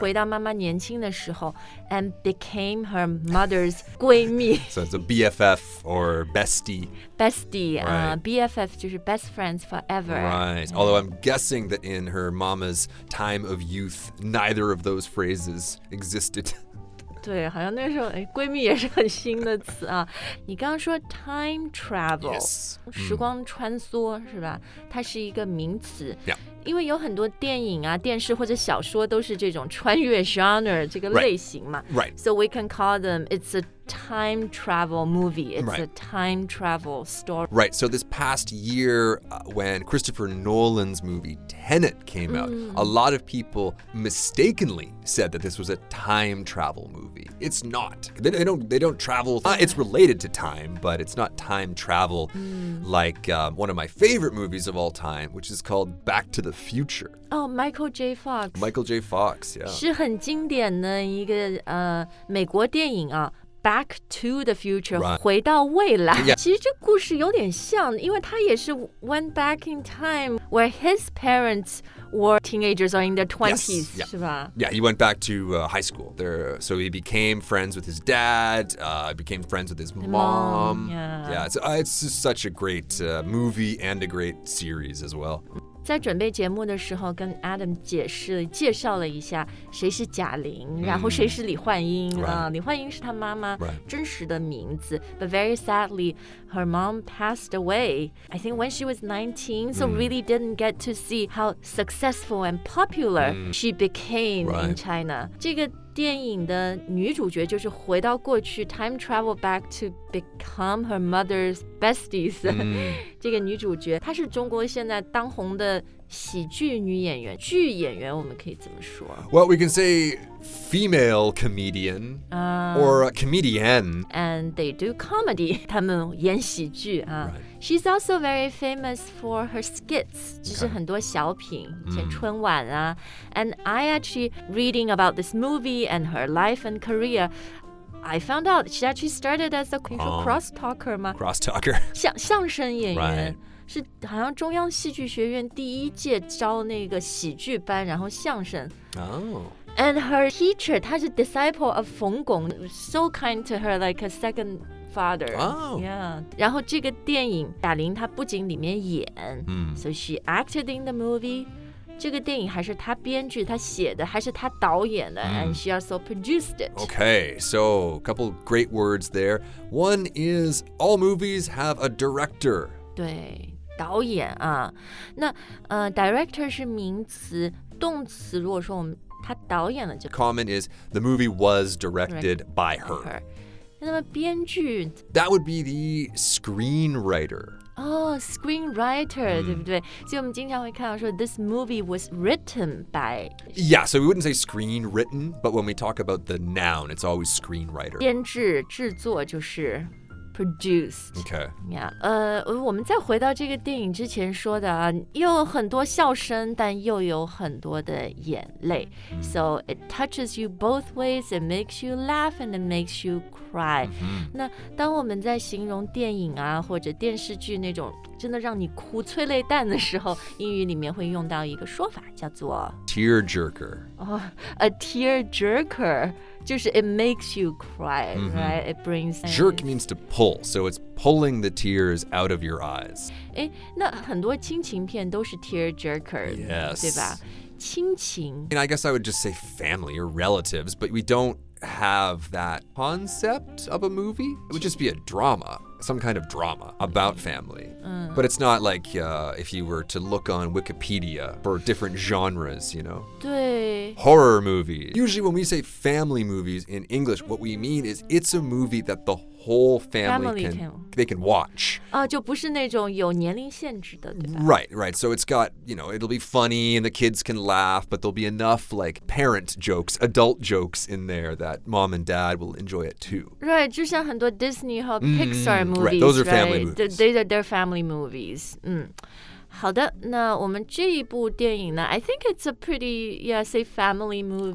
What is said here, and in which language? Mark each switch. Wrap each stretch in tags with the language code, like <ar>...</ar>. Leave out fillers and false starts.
<zh>回到妈妈年轻的时候</zh> <en>and became her mother's</en> <zh>闺蜜</zh> <en>So it's a BFF or bestie. Bestie. Right. BFF</en> <zh>就是</zh> <en>best friends forever. Right. Although I'm guessing that in her mama's time of youth, neither of those phrases existed.</en> <zh>对好像那时候闺蜜也是很新的词啊。你刚刚说 time travel.</zh> <en>Yes.</en> <zh>时光穿梭是吧它是一个名词。</zh> <en>Yeah.</en> <zh>因为有很多电影啊电视或者小说都是这种穿越 genre 这个类型嘛</zh> <en>right, right. So we can call them it's a time travel movie It's、 right. a time travel story Right, so this past year、when Christopher Nolan's movie Tenet came out、a lot of people mistakenly said that this was a time travel movie It's not They don't travel、It's related to time but it's not time travel、like、one of my favorite movies of all time which is called Back to the Future Oh, Michael J. Fox Michael J. Fox, yeah</en> <zh>是很经典的一个、美国电影啊</zh> <en>Back to the future,、 right.</en> <zh>回到未来、</zh> <en>yeah.</en> <zh>其实这故事有点像，因为他也是</zh> <en>went back in time where his parents were teenagers or in their 20s、 yes. yeah.</en> <zh>是吧</zh> <en>Yeah, he went back to、high school there, so he became friends with his dad、became friends with his mom. Yeah, yeah it's just such a great、movie and a great series as well.</en> <zh>在准备节目的时候跟 Adam 介绍了一下谁是贾玲、然后谁是李焕英、李焕英是他妈妈真实的名字、</zh> <en>right. But very sadly, her mom passed away I think when she was 19 So really didn't get to see how successful and popular she became、 right. in China</en> <zh>这个电影的女主角就是回到过去</zh> <en>time travel back to become her mother's besties、</en> <zh>这个女主角她是中国现在当红的喜剧女演员剧演员我们可以怎么说</zh> <en>Well, we can say female comedian、or a comedian And they do comedy</en> <zh>她们演喜剧、</zh> <en>She's also very famous for her skits,</en> <zh>就是很多小品以前春晚啊。</zh> <en>And I actually reading about this movie and her life and career, I found out she actually started as a cross-talker 吗 Cross-talker.</en> <zh>相声演员。</zh> <en>Right.</en> <zh>是好像中央戏剧学院第一届招那个喜剧班然后相声、 oh.</zh> <en>And her teacher</en> <zh>她是</zh> <en>disciple of 冯巩 So kind to her like a second father、 oh.</en> <zh>yeah. 然后这个电影贾玲她不仅里面演、</zh> <en>So she acted in the movie</en> <zh>这个电影还是她编剧她写的还是她导演的、</zh> <en>And she also produced it Okay, so a couple great words there One is all movies have a director</en> <zh>对导演啊那、director 是名词动词如果说我们他导演了就</zh> <en>Common is the movie was directed by her</en> <zh>那么编剧</zh> <en>That would be the screenwriter</en> <zh>Oh, screenwriter,、对不对所以我们经常会看到说</zh> <en>This movie was written by Yeah, so we wouldn't say screenwritten But when we talk about the noun It's always screenwriter</en> <zh>编制制作就是Produced.</zh> <en>Okay. Yeah.</en> <zh>我们再回到这个电影之前说的啊，又有很多笑声，但又有很多的眼泪。</zh> <en>So it touches you both ways. It makes you laugh and it makes you cry.</en> <zh>那当我们在形容电影啊或者电视剧那种真的让你哭催泪弹的时候，英语里面会用到一个说法叫做</zh> <en>tear jerker. Oh, a tear jerker.</en> <zh>就是</zh> <en>it makes you cry,、right? It brings tears. Jerk means to pull, so it's pulling the tears out of your eyes.</en> <zh>诶那很多亲情片都是 tear jerker,</zh> <en>yes.</en> <zh>对吧亲情</zh> <en>I mean, I guess I would just say family or relatives, but we don't have that concept of a movie. It would just be a drama, some kind of drama about family.、But it's not like、if you were to look on Wikipedia for different genres, you know? 对 Horror movies. Usually when we say family movies in English, what we mean is it's a movie that the whole family can, they can watch.、</en> <zh>就不是那种有年龄限制的对吧</zh> <en>Right, right. So it's got, you know, it'll be funny and the kids can laugh, but there'll be enough like parent jokes, adult jokes in there that mom and dad will enjoy it too. Right,</en> <zh>就像很多</zh> <en>Disney 和 Pixar movies. Right, those are right? family movies. They're family movies.</en> <zh>好的那我们这一部电影呢</zh> <en>I think it's a pretty, yeah, say family movie.</en>